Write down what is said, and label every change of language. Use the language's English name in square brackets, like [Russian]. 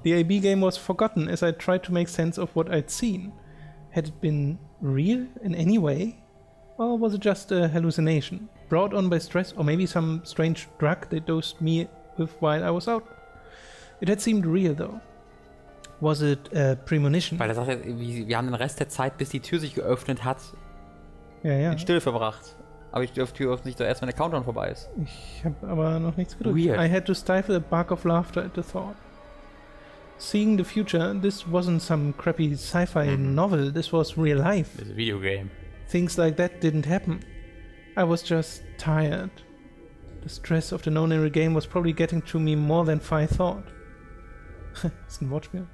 [English] The AB game was forgotten as I tried to make sense of what I'd seen. Had it been real in any way? Or was it just a hallucination? Brought on by stress or maybe some strange drug they dosed me with while I was out? It had seemed real though. Was it a premonition? [German] Weil er sagt, wir haben den Rest der Zeit, bis die Tür sich geöffnet hat, ja, ja, in Stille verbracht. Aber ich dürfte Tür öffnen, erst wenn der Countdown vorbei ist. Ich habe aber noch nichts gedrückt. [English] Weird. I had to stifle a bark of laughter at the thought. Seeing the future, this wasn't some crappy sci-fi novel, this was real life. It's a video game. Things like that didn't happen. I was just tired. The stress of the non-era game was probably getting to me more than Phi thought. It's a Wortspiel.